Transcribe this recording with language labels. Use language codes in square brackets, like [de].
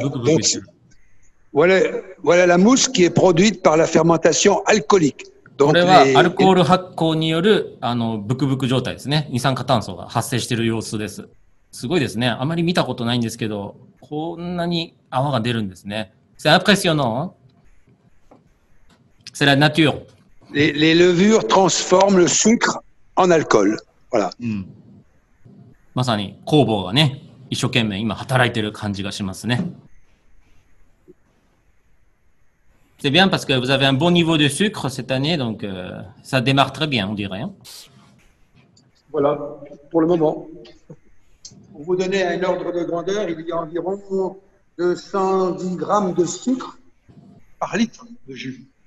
[fr] Donc, voilà la mousse qui est produite par la fermentation alcoolique. [ja] Donc, これはアルコール発酵によるブクブク状態ですね。二酸化炭素が発生している様子です。すごいですね。あまり見たことないんですけど、こんなに泡が出るんですね。 [fr] C'est impressionnant. C'est la nature. Les levures transforment le sucre en alcool. Voilà. [ja] まさに酵母がね、一生懸命今働いてる感じがしますね。 [fr] C'est bien parce que vous avez un bon niveau de sucre cette année, donc ça démarre très bien, on dirait. Voilà, pour le moment. Pour vous donner un ordre de grandeur, il y a environ 210 grammes de sucre par litre de jus.